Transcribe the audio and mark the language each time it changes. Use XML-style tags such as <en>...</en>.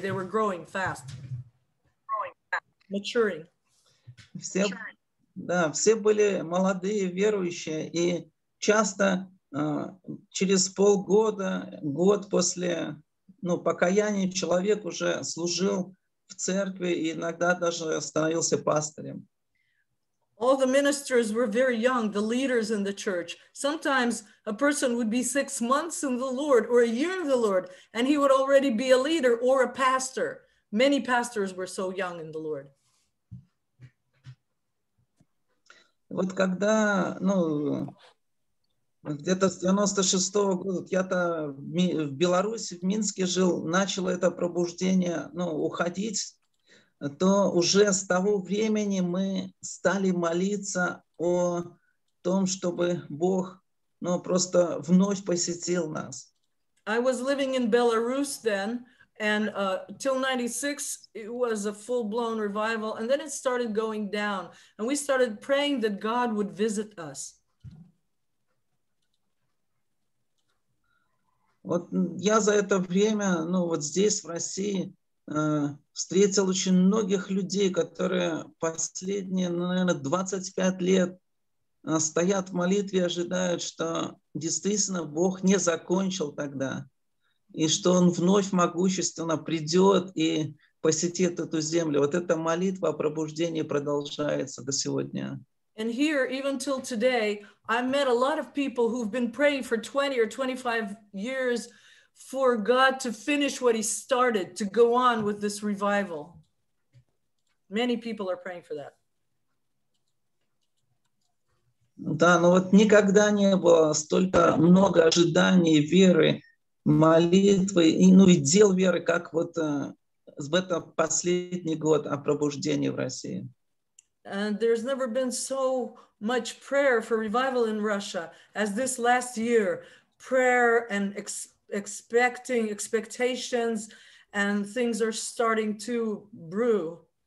<en>They were growing fast. Maturing.</en> <ru>Все, да, все были молодые, верующие. И часто через полгода, год после покаяния, человек уже служил в церкви и иногда даже становился пастырем.</ru> <en>All the ministers were very young, the leaders in the church. Sometimes a person would be 6 months in the Lord or a year in the Lord, and he would already be a leader or a pastor. Many pastors were so young in the Lord.</en> <ru>Вот когда, ну, где-то с 96-го года, я-то в Беларуси, в Минске жил, начало это пробуждение, ну, уходить, то уже с того времени мы стали молиться о том, чтобы Бог, ну, просто вновь посетил нас.</ru> <en>I was living in Belarus then, and till 96, it was a full-blown revival, and then it started going down, and we started praying that God would visit us.</en> <ru>Вот я за это время, ну, вот здесь, в России, встретил очень многих людей, которые последние, ну, наверное, 25 лет стоят в молитве и ожидают, что действительно Бог не закончил тогда, и что Он вновь могущественно придет и посетит эту землю. Вот эта молитва о пробуждении продолжается до сегодня.</ru> <en>And here, even till today, I've met a lot of people who've been praying for 20 or 25 years for God to finish what He started, to go on with this revival. Many people are praying for that.</en> <ru>Да, но вот никогда не было столько много ожиданий, веры, молитвы и, ну, и дел веры, как вот в этот последний год о пробуждении в России.</ru> <en>And there's never been so much prayer for revival in Russia as this last year. Prayer and expectations, and things are starting to brew.</en>